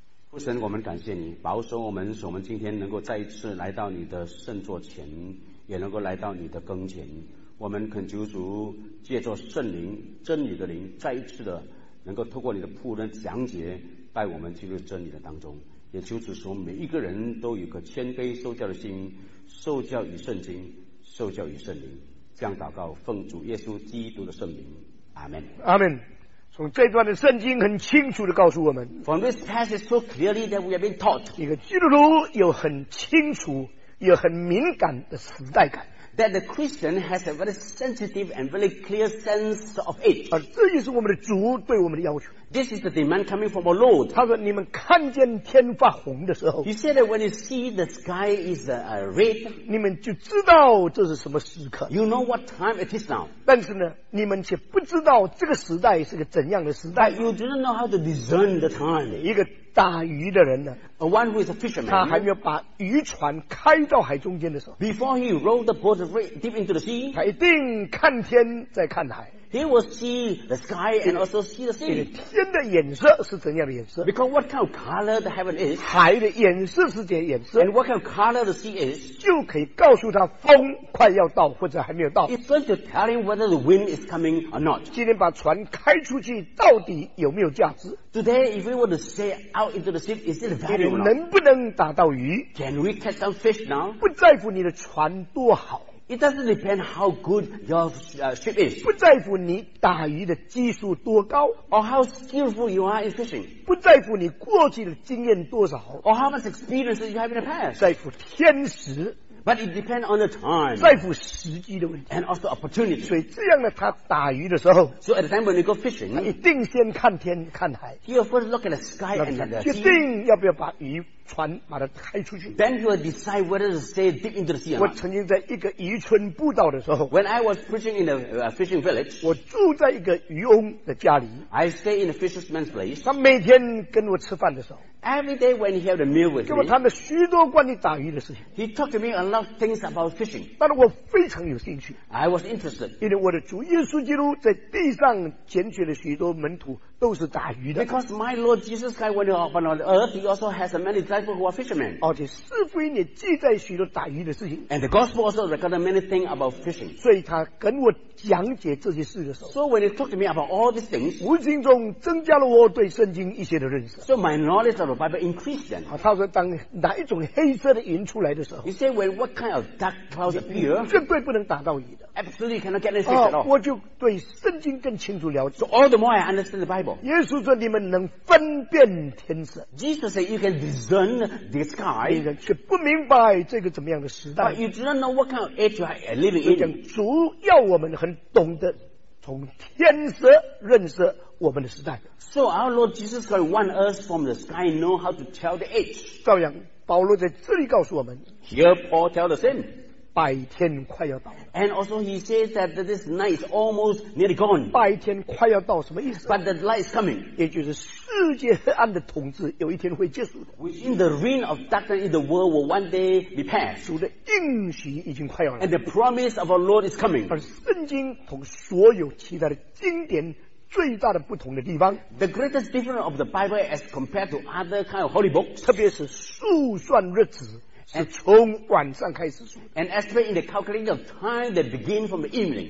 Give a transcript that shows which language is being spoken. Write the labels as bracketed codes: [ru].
[zh] 父神我们感谢你保守我们使我们今天能够再一次来到你的圣座前也能够来到你的跟前我们恳求主借着圣灵真理的灵再一次的能够透过你的仆人讲解带我们进入真理的当中也求主使我们每一个人都有个谦卑受教的心受教于圣经受教于圣灵这样祷告奉主耶稣基督的圣名阿们阿们从这段的圣经很清楚地告诉我们 [en] From this passage so clearly that we have been taught [zh] 一个基督徒有很清楚有很敏感的时代感 [en] That the Christian has a very sensitive and very clear sense of age [zh] 而这就是我们的主对我们的要求 [en] This is the demand coming from our Lord [zh] 他说你们看见天发红的时候 [en] He said that when you see the sky is red [zh] 你们就知道这是什么时刻 [en] You know what time it is now [zh] 但是呢你们却不知道这个时代是个怎样的时代 [en] But you didn't know how to discern the time [zh] 一个打鱼的人呢 [en] A one who is a fisherman [zh] 他还没有把渔船开到海中间的时候 [en] Before he rowed the boat deep into the sea [zh] 他一定看天再看海 [en] He will see the sky and also see the sea [zh] 天的颜色是怎样的颜色 [en] Because what kind of color the heaven is [zh] 海的颜色是怎样的颜色 [en] And what kind of color the sea is [zh] 就可以告诉他风快要到或者还没有到 [en] It's going to tell him whether the wind is coming or not [zh] 今天把船开出去到底有没有价值 [en] Today, if we were to sail out into the sea, is it valuable? [zh] 你能不能打到鱼 [en] Can we catch some fish now? [zh] 不在乎你的船多好 [en] It doesn't depend how good your ship is. [zh] 不在乎你打鱼的技术多高 [en] Or how skillful you are in fishing. [zh] 不在乎你过去的经验多少 [en] Or how much experience you have in the past. [zh] 在乎天时 [en] But it depends on the time. [zh] 在乎时机的问题 [en] And also opportunity. [zh] 所以这样的他打鱼的时候 [en] So at the time when you go fishing, [zh] 他一定先看天看海 [en] He will first look at the sky and the sea. [zh] 决定要不要把鱼船把它开出去 [en] Then you will decide whether to stay deep into the sea or not. [zh] 我曾经在一个渔村布道的时候 [en] When I was preaching in a fishing village, [zh] 我住在一个渔翁的家里 [en] I stay in a fisherman's place. [zh] 他每天跟我吃饭的时候 [en] Every day when he had a meal with me, [zh] 跟我谈了许多关于打鱼的事情 [en] He talked to me a lot of things about fishing. [zh] 但是我非常有兴趣 [en] I was interested. [zh] 因为我的主耶稣基督在地上拣选了许多门徒都是打鱼的 [en] Because my Lord Jesus Christ went up on earth, he also has many disciples who are fishermen. [zh] 而且四福音也记载许多打鱼的事情。 [en] And the gospel also recorded many things about fishing. [zh] 所以他跟我讲解这些事的时候 [en] So when he talked to me about all these things, [zh] 无形中增加了我对圣经一些的认识。 [en] So my knowledge of the Bible increased then. [zh] 他说当哪一种黑色的云出来的时候 [en] He said when what kind of dark clouds appear, [zh] 绝对不能打到鱼的。 [en] Absolutely cannot get any fish at all. [zh] 我就对圣经更清楚了解。 [en] So all the more I understand the Bible. [zh] 耶稣说你们能分辨天色 [en] Jesus said you can discern the sky [zh] 你却不明白这个怎么样的时代 [en] But you do not know what kind of age you are living in [zh] 讲主要我们很懂得从天色认识我们的时代 [en] So our Lord Jesus Christ want us from the sky know how to tell the age [zh] 照样保罗在这里告诉我们 [en] Here Paul tells the same [zh] 百天快要到 [en] And also he says that this night is almost nearly gone. [zh] 白天快要到什么意思 [en] But the light is coming. [zh] 也就是世界黑暗的统治有一天会结束的 [en] Within the reign of darkness in the world will one day be passed. [zh] 主的应许已经快要来 [en] And the promise of our Lord is coming. [zh] 而圣经同所有其他的经典最大的不同的地方。 [en] The greatest difference of the Bible as compared to other kind of holy books, [zh] 特别是数算日子是从晚上开始数。 [en] And especially in the calculating of time that begin from the evening.